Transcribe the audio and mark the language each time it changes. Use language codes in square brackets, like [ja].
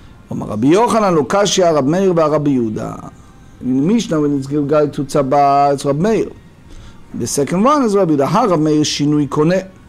[he] אומר רבי יוחנן, לא קשיא, רב מאיר והרב יהודה. [en] In Mishnah, when it's guided to Tzaba, it's רב מאיר. The second one is [he] רב יהודה, הרב מאיר שינוי קונה.